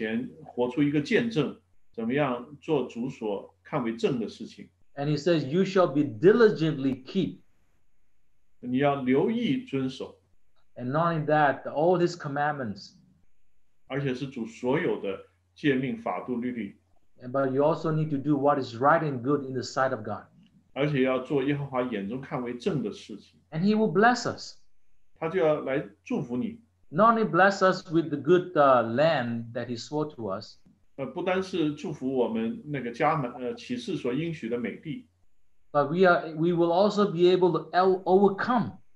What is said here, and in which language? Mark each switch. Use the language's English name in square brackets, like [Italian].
[Chinese] 我们怎样在主的面前活出一个见证, 怎么样做主所看为正的事情。 [English] And he says, you shall be diligently keep. [Chinese] 你要留意遵守。 [English] And not only that, all his commandments. [Chinese] 而且是主所有的诫命法度律例。 [English] But you also need to do what is right and good in the sight of God. [Chinese] 而且要做耶和华眼中看为正的事情。 [English] And he will bless us. [Chinese] 他就要来祝福你。 [English] Not only bless us with the good land that he swore to us, [Chinese] 不单是祝福我们那个家门，启示所应许的美地, [English] but we will also be able to overcome.